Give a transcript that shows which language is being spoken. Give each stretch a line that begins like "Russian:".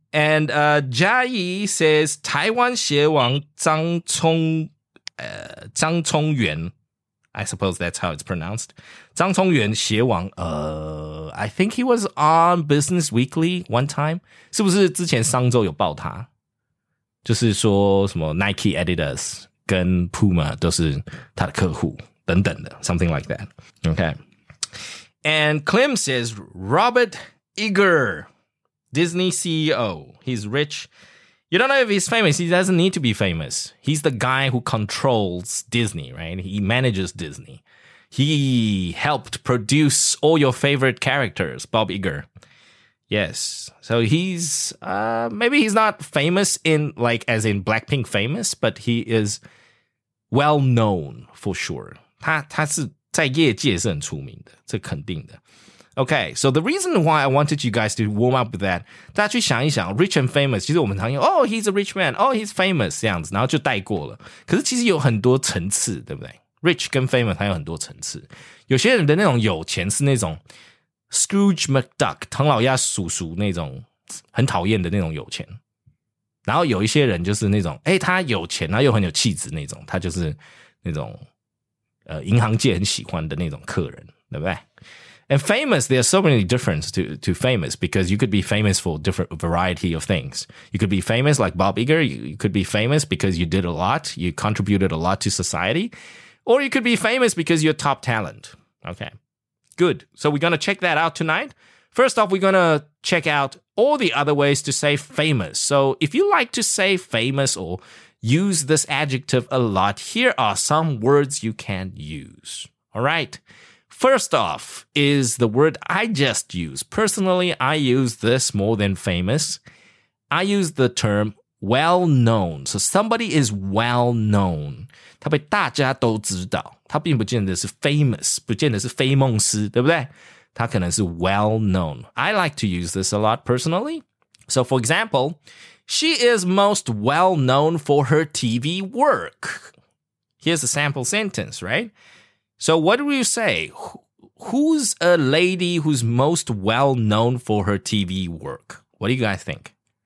English: And Jia Yi says, Taiwan 协王张聪元 I suppose that's how it's pronounced. 张聪元协王I think he was on Business Weekly one time.
Chinese: 是不是之前商周有报他就是说什么 Nike Adidas 跟 Puma 都是他的客户等等的
English: something like that. Okay. And Clem says, Robert Iger, Disney CEO, he's rich. You don't know if he's famous. He doesn't need to be famous. He's the guy who controls Disney, right? He manages Disney. He helped produce all your favorite characters, Bob Iger. Yes. So he's, maybe he's not famous in, like, as in Blackpink famous, but he is well known for sure.
Chinese: 他是在业界是很出名的，这肯定的。
English: Okay, so the reason why I wanted you guys to warm up with that,
Chinese: 大家去想一想 ，
English: rich and famous，
Chinese: 其实我们常用 ，
English: oh he's a rich man，oh he's famous
Chinese: 这样子，然后就带过了。可是其实有很多层次，对不对 ？Rich 跟 famous 它有很多层次。有些人的那种有钱是那种 Scrooge McDuck 唐老鸭叔叔那种很讨厌的那种有钱。然后有一些人就是那种，哎，他有钱，然后又很有气质那种，他就是那种。银行界很喜欢的那种客人，对不对？
English: And famous, there are so many differences to famous because you could be famous for different variety of things. You could be famous like Bob Iger, you could be famous because you did a lot, you contributed a lot to society, or you could be famous because you're top talent. Okay, good. So we're going to check that out tonight. First off, we're going to check out all the other ways to say famous. So if you like to say famous or use this adjective a lot, here are some words you can use. All right. First off is the word I just used. Personally, I use this more than famous. I use the term well-known. So somebody is well-known.
Chinese: 他被大家都知道。他并不见得是 famous, 不见得是非梦思，对不对？他可能是 well-known.
English: I like to use this a lot personally. So for example, she is most well-known for her TV work. Here's a sample sentence, right? So what do you say? Who's a lady who's most well-known for her TV work? What do you guys think?